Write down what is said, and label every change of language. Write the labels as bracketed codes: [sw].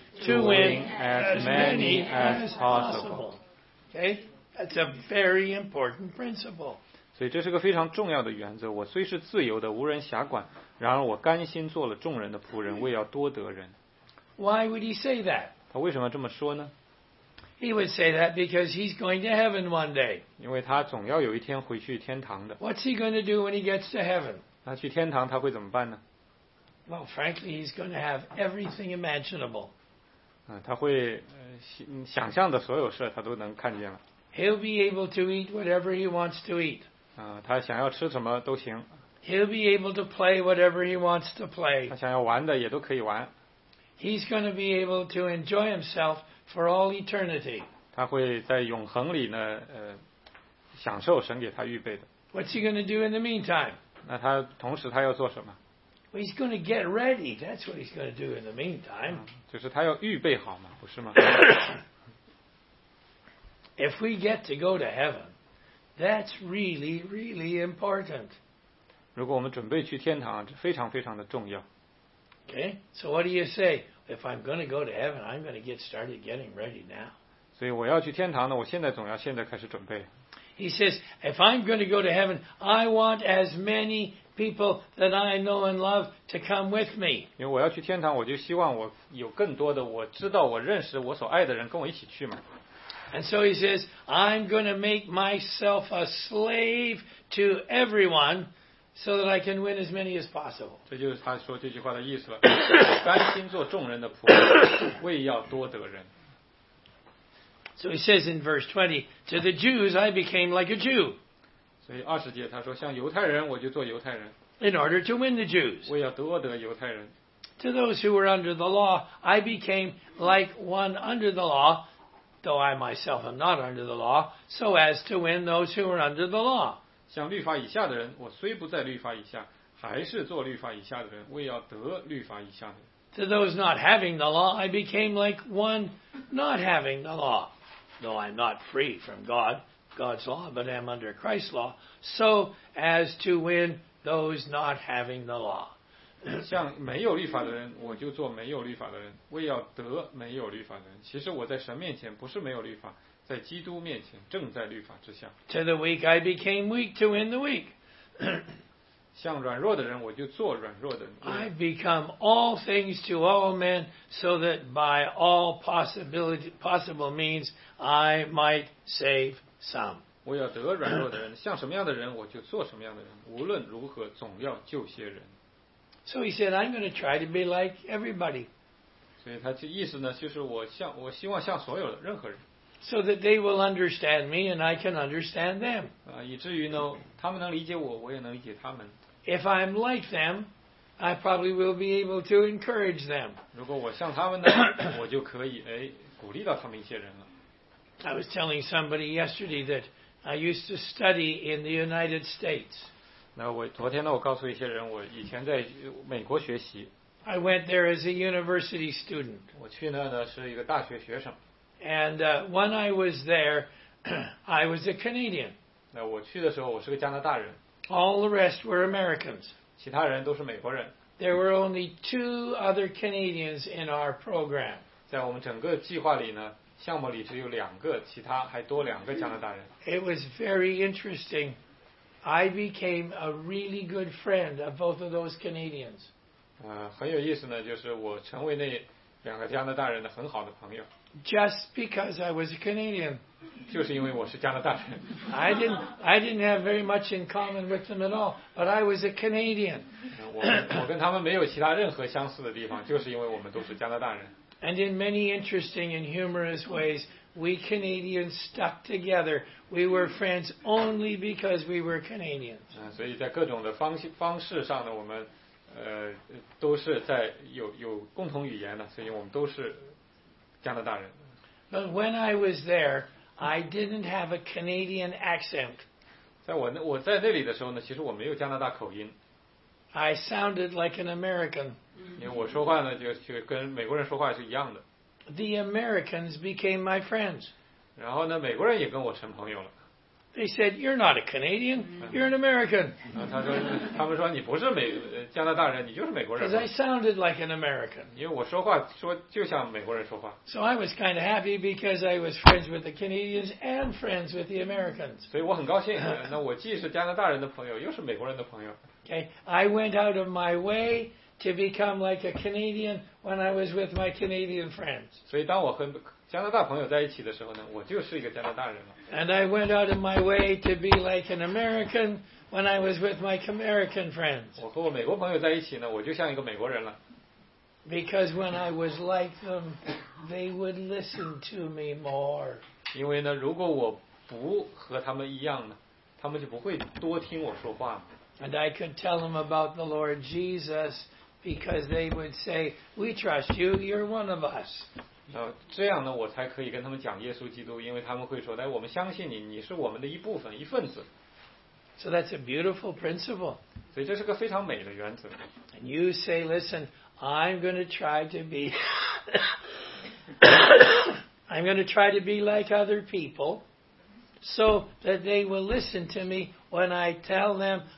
[en] To win as many as possible. Okay, that's a very important principle. [zh] 所以这是个非常重要的原则。我虽是自由的，无人辖管，然而我甘心做了众人的仆人，为要多得人。 [en] Why would he say that? [zh] 他为什么这么说呢 [en] ？He would say that because he's going to heaven one day. [zh] 因为他总要有一天回去天堂的。 [en] What's he going to do when he gets to heaven? [zh] 他去天堂他会怎么办呢 [en] ？Well, frankly, he's going to have everything imaginable. [zh] 他会想象的所有事他都能看见了。 [en] He'll be able to eat whatever he wants to eat. [zh] 他想要吃什么都行。 [en] He'll be able to play whatever he wants to play. [zh] 他想要玩的也都可以玩。 [en] He's going to be able to enjoy himself for all eternity. [zh] 他会在永恒里呢享受神给他预备的。 [en] What's he going to do in the meantime? [zh] 那他同时他要做什么 [en] He's going to get ready. That's what he's going to do in the meantime. [zh] 就是他要预备好嘛，不是吗 [en] ？If we get to go to heaven, that's really, really important. [zh] 如果我们准备去天堂，这非常非常的重要。 [en] Okay. So what do you say? If I'm going to go to heaven, I'm going to get started getting ready now. [zh] 所以我要去天堂呢，我现在总要现在开始准备。 [en] He says, "If I'm going to go to heaven, I want as many." People that I know and love to come with me. [zh] 因为我要去天堂，我就希望我有更多的我知道、我认识、我所爱的人跟我一起去嘛。 [en] And so he says, I'm going to make myself a slave to everyone, so that I can win as many as possible. [zh] 这就是他说这句话的意思了。甘心做众人的仆人，为要多得人。 [en] So he says in verse 20, to the Jews I became like a Jew. [zh] 所以二十节他说，像犹太人我就做犹太人。 [en] in order to win the Jews. [zh] 为要夺得犹太人。 [en] To those who were under the law, I became like one under the law, though I myself am not under the law, so as to win those who were under the law. [zh] 像律法以下的人，我虽不在律法以下，还是做律法以下的人，为要得律法以下的人。 [en] To those not having the law, I became like one not having the law, though I'm not free from God's law, but am under Christ's law, so as to win those not having the law. [zh] 像没有律法的人，我就做没有律法的人，为要得没有律法的人。其实我在神面前不是没有律法，在基督面前正在律法之下。 [en] To the weak, I became weak to win the weak. [zh] 像软弱的人，我就做软弱的人。 [en] I become all things to all men, so that by all possible means, I might save some. [zh] 我要得软弱的人，像什么样的人，我就做什么样的人。无论如何，总要救些人。 [en] So he said, I'm going to try to be like everybody. [zh] 所以他这意思呢，就是我希望像所有的任何人。 [en] So that they will understand me and I can understand them. [zh] 以至于呢，他们能理解我，我也能理解他们。 [en] If I'm like them, I probably will be able to encourage them. [zh] 如果我像他们呢，我就可以鼓励到他们一些人了。 [en] I was telling somebody yesterday that I used to study in the United States. [zh] 那我昨天呢，我告诉一些人，我以前在美国学习。 [en] I went there as a university student. [zh] 我去那呢是一个大学学生。 [en] And when I was there, I was a Canadian. [zh] 那我去的时候，我是个加拿大人。 [en] All the rest were Americans. [zh] 其他人都是美国人。 [en] There were only two other Canadians in our program. [zh] 在我们整个计划里呢，项目里只有两个，其他还多两个加拿大人。 [en] It was very interesting. I became a really good friend of both of those Canadians. [zh] 很有意思呢，就是我成为那两个加拿大人的很好的朋友。 [en] Just because I was a Canadian. [zh] 就是因为我是加拿大人。 [en] I didn't have very much in common with them at all, but I was a Canadian. [zh] 我跟他们没有其他任何相似的地方，就是因为我们都是加拿大人。 [en] And in many interesting and humorous ways, we Canadians stuck together. We were friends only because we were Canadians. [zh] 所以在各种的方式上呢，我们都是在有共同语言的，所以我们都是加拿大人。 [en] But when I was there, I didn't have a Canadian accent. [zh] 在我在那里的时候呢，其实我没有加拿大口音。 [en] I sounded like an American. [zh] 因为我说话呢，就跟美国人说话是一样的。 [en] The Americans became my friends. [zh] 然后呢，美国人也跟我成朋友了。 [en] They said, "You're not a Canadian. You're an American." [zh] 他们说你不是加拿大人，你就是美国人。 [en] Because I sounded like an American. [zh] 因为我说话就像美国人说话。 [en] So I was kind of happy because I was friends with the Canadians and friends with the Americans. [zh] 所以我很高兴，那我既是加拿大人的朋友，又是美国人的朋友。 [en] Okay, I went out of my way to become like a Canadian when I was with my Canadian friends. [zh] 所以当我和加拿大朋友在一起的时候呢，我就是一个加拿大人了。 [en] And I went out of my way to be like an American when I was with my American friends. [zh] 我和我美国朋友在一起呢，我就像一个美国人了。 [en] Because when I was like them, they would listen to me more. [zh] 因为呢，如果我不和他们一样呢，他们就不会多听我说话。 [en] And I could tell them about the Lord Jesus because they would say, "We trust you. You're one of us." [zh] 这样呢，我才可以跟他们讲耶稣基督，因为他们会说，哎，我们相信你，你是我们的一部分，一份子。 [en] So that's a beautiful principle. [zh] 所以这是个非常美的原则。 [en] And you say, "Listen, I'm going to try to be like other people, so that they will listen to me when I tell them."